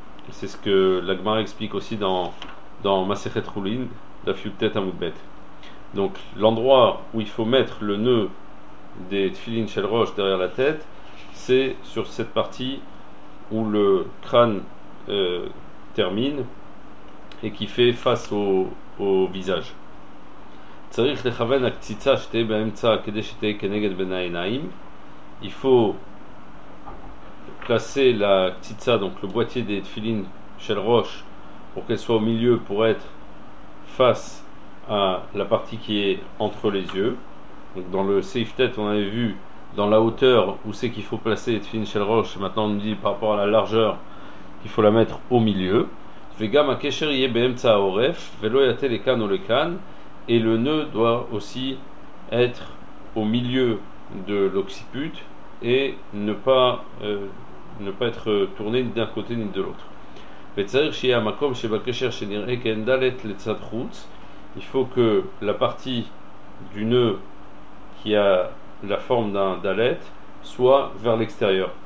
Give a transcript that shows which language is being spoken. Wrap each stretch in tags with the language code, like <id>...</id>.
<fr>C'est ce que l'Agmara explique aussi dans Maseret Roulin, d'Afyutet Amoudbet. Donc l'endroit où il faut mettre le nœud des Tfilin Shel Rosh derrière la tête, c'est sur cette partie où le crâne termine et qui fait face au visage.</fr> <he>צריך לכוון הקציצה שתהיה באמצע כדי שתהיה כנגד בין העיניים.</he> <fr>Il faut placer la קציצה, donc le boîtier des tefillin shel rosh, pour qu'elle soit au milieu, pour être face à la partie qui est entre les yeux. Donc dans le safe tête, on avait vu dans la hauteur où c'est qu'il faut placer les tefillin shel rosh. Maintenant on nous dit par rapport à la largeur qu'il faut la mettre au milieu.</fr> <he>וגם הקשר יהיה באמצע העורף ולא יתה לכאן או לכאן.</he> <fr>Et le nœud doit aussi être au milieu de l'occiput et ne pas être tourné ni d'un côté ni de l'autre. Il faut que la partie du nœud qui a la forme d'un dalet soit vers l'extérieur.</fr>